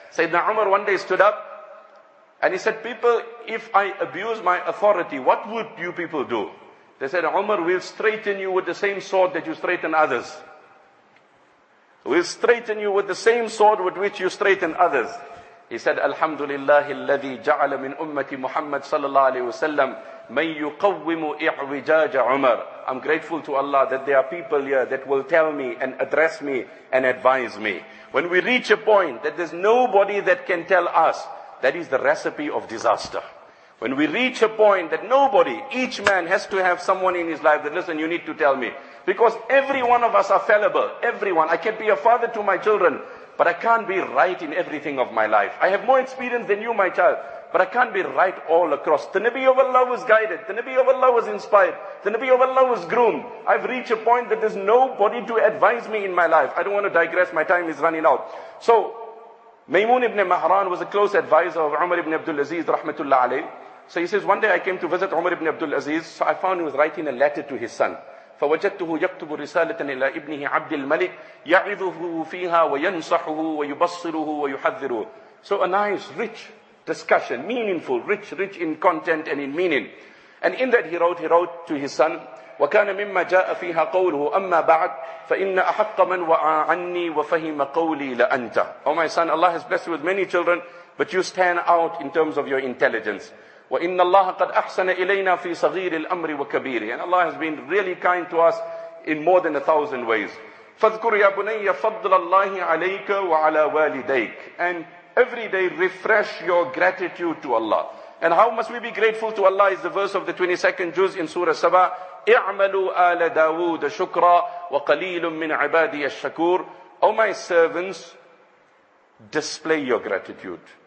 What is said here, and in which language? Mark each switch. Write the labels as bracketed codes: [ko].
[en] Sayyidina Umar one day stood up and he said, people, if I abuse my authority, what would you people do? They said, Umar, we'll straighten you with the same sword that you straighten others. We'll straighten you with the same sword with which you straighten others. He said, [ar] Alhamdulillah, الذي جعل من أمتي محمد صلى الله عليه وسلم من يقوم إعوجاج عمر. [en] I'm grateful to Allah that there are people here that will tell me and address me and advise me. When we reach a point that there's nobody that can tell us, that is the recipe of disaster. When we reach a point that nobody, each man has to have someone in his life that, listen, you need to tell me. Because every one of us are fallible. Everyone. I can be a father to my children, but I can't be right in everything of my life. I have more experience than you, my child, but I can't be right all across. The Nabi of Allah was guided. The Nabi of Allah was inspired. The Nabi of Allah was groomed. I've reached a point that there's nobody to advise me in my life. I don't want to digress. My time is running out. So, Maymun ibn Mahran was a close advisor of Umar ibn Abdul Aziz, rahmatullah alayh. So he says, one day I came to visit Umar ibn Abdul Aziz. So I found he was writing a letter to his son. [ar] فوجدته يكتب رسالة إلى ابنه عبد الملك يعظه فيها وينصحه ويبصره ويحذره. [en] So a nice, rich discussion, meaningful, rich in content and in meaning. And in that he wrote to his son. [ar] وكان مما جاء فيها قوله أما بعد فإن أحق من وعى عني وفهم قولي لأنت. [en] Oh my son, Allah has blessed you with many children, but you stand out in terms of your intelligence. [ar] وَإِنَّ اللَّهَ قَدْ أَحْسَنَ إِلَيْنَا فِي صَغِيرِ الْأَمْرِ وَكَبِيرِ. [en] And Allah has been really kind to us in more than 1,000 ways. [ar] فَذْكُرْ يَا بُنَيَّ فَضْلَ اللَّهِ عَلَيْكَ وَعَلَى وَالِدَيْكَ. [en] And every day refresh your gratitude to Allah. And how must we be grateful to Allah is the verse of the 22nd juz in Surah Saba. [ar] اِعْمَلُوا آلَ دَاوُودَ شُكْرًا وَقَلِيلٌ مِّنْ عِبَادِيَ الشَّكُورِ. [en] O my servants, display your gratitude.